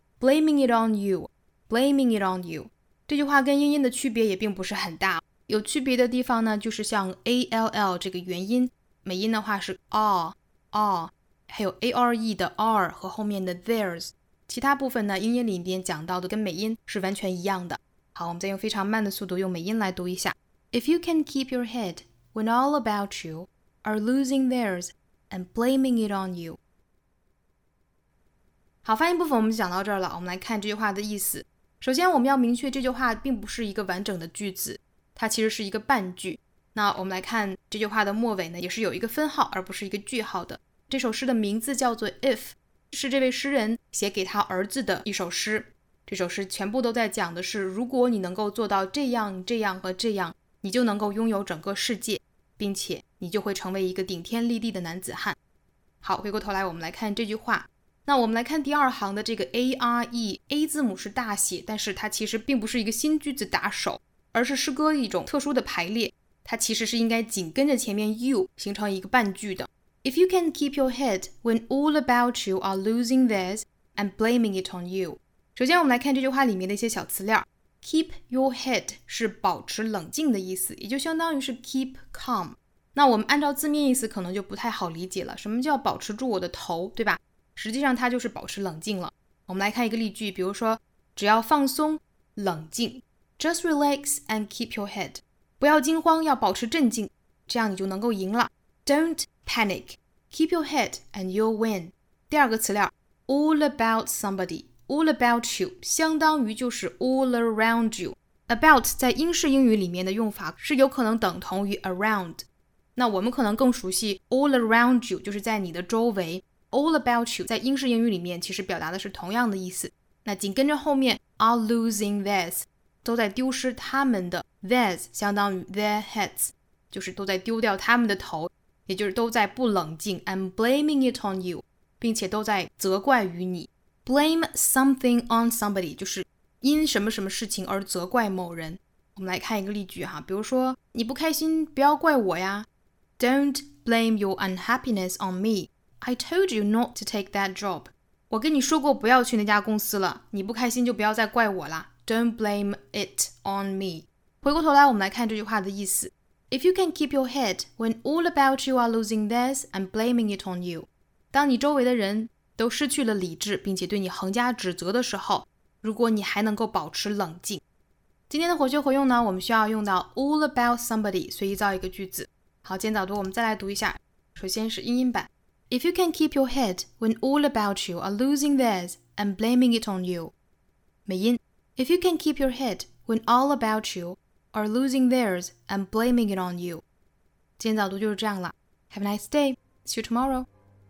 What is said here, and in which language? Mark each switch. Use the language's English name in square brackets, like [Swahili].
[English] blaming it on you [Chinese] blaming it on you， 这句话跟英音的区别也并不是很大，有区别的地方呢就是像 ALL 这个元音，美音的话是 aw 还有 ARE 的 r 和后面的 theirs，其他部分呢英音里面讲到的跟美音是完全一样的。好，我们再用非常慢的速度用美音来读一下。 [English] If you can keep your head when all about you are losing theirs and blaming it on you。 [Chinese] 好，发音部分我们讲到这儿了，我们来看这句话的意思。首先我们要明确这句话并不是一个完整的句子，它其实是一个半句。那我们来看这句话的末尾呢也是有一个分号而不是一个句号的。这首诗的名字叫做 If，是这位诗人写给他儿子的一首诗，这首诗全部都在讲的是如果你能够做到这样这样和这样，你就能够拥有整个世界，并且你就会成为一个顶天立地的男子汉。好，回过头来我们来看这句话，那我们来看第二行的这个 ARE， A 字母是大写，但是它其实并不是一个新句子打手，而是诗歌一种特殊的排列，它其实是应该紧跟着前面 you 形成一个半句的。 [English] If you can keep your head when all about you are losing theirs and blaming it on you. [Chinese] 首先我们来看这句话里面的一些小词料。 Keep your head 是保持冷静的意思，也就相当于是 keep calm。那我们按照字面意思可能就不太好理解了，什么叫保持住我的头，对吧？实际上它就是保持冷静了。我们来看一个例句，比如说只要放松冷静， [English] Just relax and keep your head. [Chinese] 不要惊慌，要保持镇静，这样你就能够赢了。 [English] Don't panic, keep your head and you'll win. [Chinese] 第二个词料 [English] all about somebody, all about you [Chinese] 相当于就是 [English] all around you. [Chinese] About 在英式英语里面的用法是有可能等同于 around， 那我们可能更熟悉 all around you 就是在你的周围。 All about you 在英式英语里面其实表达的是同样的意思，那紧跟着后面 [English] are losing theirs [Chinese] 都在丢失他们的， theirs 相当于 their heads 就是都在丢掉他们的头，也就是都在不冷静， [English] I'm blaming it on you， [Chinese] 并且都在责怪于你。 [English] Blame something on somebody [Chinese] 就是因什么什么事情而责怪某人。我们来看一个例句哈，比如说你不开心不要怪我呀。 [English] Don't blame your unhappiness on me. I told you not to take that job. [Chinese] 我跟你说过不要去那家公司了，你不开心就不要再怪我啦。 [English] Don't blame it on me. [Chinese] 回过头来我们来看这句话的意思。 [English] If you can keep your head when all about you are losing theirs and blaming it on you， [Chinese] 当你周围的人都失去了理智并且对你横加指责的时候，如果你还能够保持冷静。今天的活学活用呢，我们需要用到 [English] all about somebody [Chinese] 随意造一个句子。好，今天早读我们再来读一下，首先是英音版。 [English] If you can keep your head when all about you are losing theirs and blaming it on you， 美音。 If you can keep your head when all about youare losing theirs and blaming it on you. [Chinese] 今天早读就是这样了。 [English] Have a nice day. See you tomorrow.